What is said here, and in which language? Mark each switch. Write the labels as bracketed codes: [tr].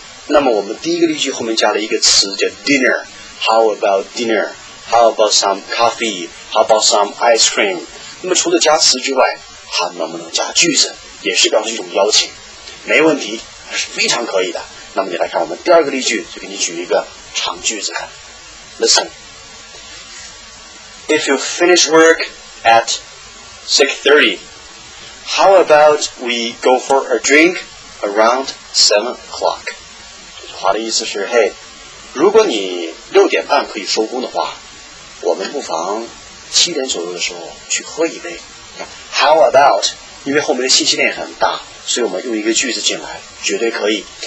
[zh] 那么我们第一个例句后面加了一个词叫 dinner。 [en] How about dinner? How about some coffee? How about some ice cream? [zh] 那么除了加词之外，还能不能加句子，也是表示一种邀请？没问题，是非常可以的。那么你来看我们第二个例句，就给你举一个长句子看。 [en] Listen, if you finish work at 6:30, how about we go for a drink around 7 o'clock? [zh] 这句话的意思是，嘿，如果你6:30可以收工的话，我们不妨7点左右的时候去喝一杯。 [en] How about? [zh] 因为后面的信息链很大，所以我们用一个句子进来，绝对可以。